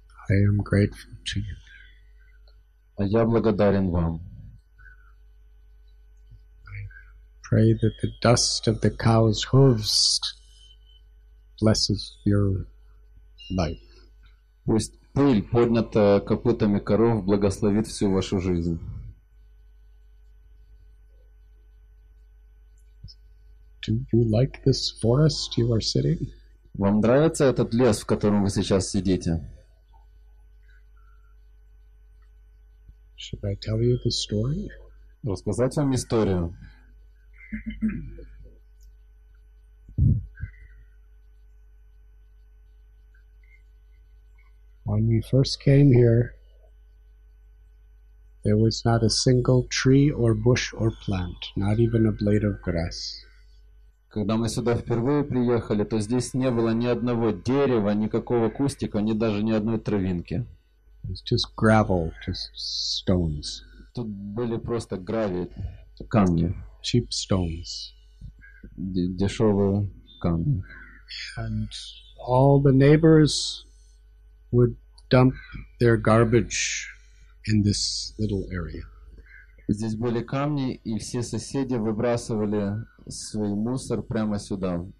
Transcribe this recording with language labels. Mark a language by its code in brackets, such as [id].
[en] I am grateful to you. [ru] Я благодарен вам. [en] Pray that the dust of the cow's hooves blesses your life. [ru] Пусть пыль, поднятая копытами коров, благословит всю вашу жизнь. [en] Do you like this forest you are sitting? [ru] Вам нравится этот лес, в котором вы сейчас сидите? [en] Should I tell you the story? [ru] Рассказать вам историю. [en] When we first came here, there was not a single tree or bush or plant, not even a blade of grass. [ru] Когда мы сюда впервые приехали, то здесь не было ни одного дерева, никакого кустика, ни даже ни одной травинки. [en] It's just gravel, just stones. [ru] Тут были просто гравий, камни. [en] Cheap stones. [ru] Дешевые камни. [en] And all the neighbors would dump their garbage in this little area. [ru] Здесь были камни, и все соседи выбрасывали свой мусор прямо сюда,